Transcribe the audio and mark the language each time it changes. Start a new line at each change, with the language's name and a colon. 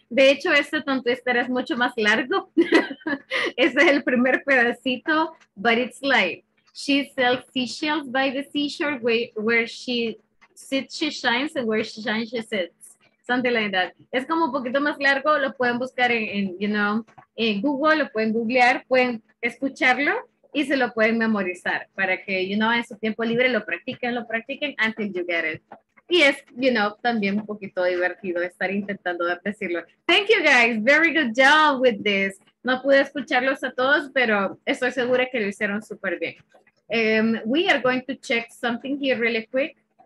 Spanish: De hecho, este tonto estará mucho más largo. Ese es el primer pedacito,
English: but it's like, she sells seashells by the seashore where she sits, she shines, and where she shines, she sits. Something like that.
Spanish: Es como un poquito más largo, lo pueden buscar en you know, en Google, lo pueden googlear, pueden escucharlo y se lo pueden memorizar para que, you know, en su tiempo libre lo practiquen
English: until you get it.
Spanish: Y es, you know, también un poquito divertido estar intentando decirlo.
English: Thank you guys, very good job with this.
Spanish: No pude escucharlos a todos, pero estoy segura que lo hicieron súper bien.
English: We are going to check something here really quick.